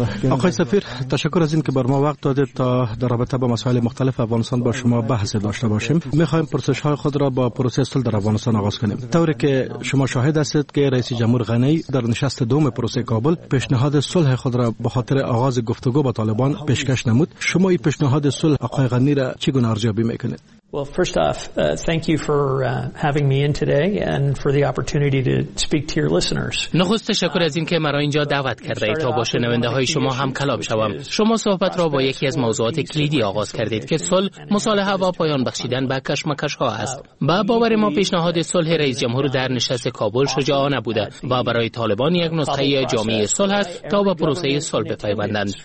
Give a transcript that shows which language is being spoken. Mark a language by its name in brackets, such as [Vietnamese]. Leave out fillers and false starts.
[Persian] آقای سفیر، تشکر از این که بر ما وقت دادید تا در رابطه با مسائل مختلف افغانستان با شما بحث داشته باشیم. میخواهیم پرسش های خود را با پروسه صلح در افغانستان آغاز کنیم. طوری که شما شاهد هستید که رئیس جمهور غنی در نشست دوم پروسه کابل پیشنهاد صلح خود را به خاطر آغاز گفتگو با طالبان پیشکش نمود. شما این پیشنهاد صلح آقای غنی را چگونه ارزیابی میکنید؟ [English] Well, first off, thank you for having me in today and for the opportunity to speak to your listeners. [Persian] نخست تشکر از این که مرا اینجا دعوت کرده اید تا با شنونده های شما هم کلام شوم. شما صحبت را با یکی از موضوعات کلیدی آغاز کردید که صلح، مصالحه و پایان بخشیدن به کشمکش ها است. با باور ما پیشنهاد صلح رئیس جمهور در نشست کابل شجاعانه بوده و برای طالبان یک نسخه جامعه صلح است تا به پروسه صلح بپیوندند.